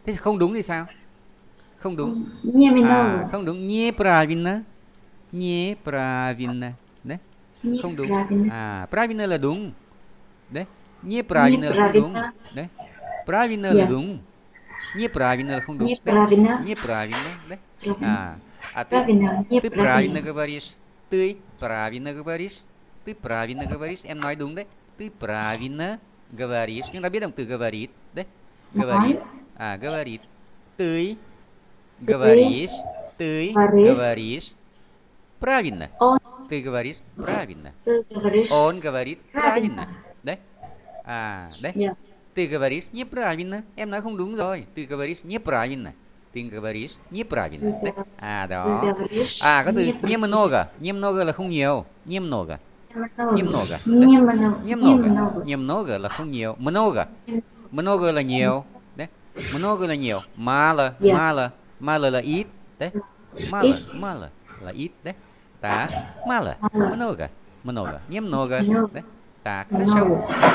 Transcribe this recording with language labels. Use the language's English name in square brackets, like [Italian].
[Vietnamese] Thế không đúng thì sao? Không đúng. [Russian] Немного. [Vietnamese] À, không đúng. Неправильно. Неправильно. Đấy. Không đúng. À, правильно là đúng. Đấy. Неправильно là đúng. Đấy. Правильно là đúng. Неправильно, không đúng. [Russian] Неправильно. Неправильно, да? А, ты правильно говоришь. Ты правильно говоришь. Ты правильно говоришь. [Vietnamese] Em nói đúng, да? [Russian] Ты правильно говоришь. [Vietnamese] Chúng ta biết động từ говорит, да? [Russian] Говорит. А, говорит. Ты говоришь. Ты говоришь. Правильно. Ты говоришь правильно. Он говорит правильно, да? А, да? Ты говоришь неправильно. [Vietnamese] Em nói không đúng rồi. [Russian] Ты говоришь неправильно. Ты говоришь неправильно. [Vietnamese] Đấy. À đó. À có từ немного. Немного là không nhiều. [Russian] Немного. Немного. Немного. [Vietnamese] Немного là không nhiều. [Russian] Много. [Vietnamese] Много là nhiều. Đấy. Много là nhiều. [Russian] Мало. Мало. Мало là ít. Đấy. Мало. Мало là ít. Đấy. Tá. Мало. Много. Много. Немного. Đấy. Так, хорошо.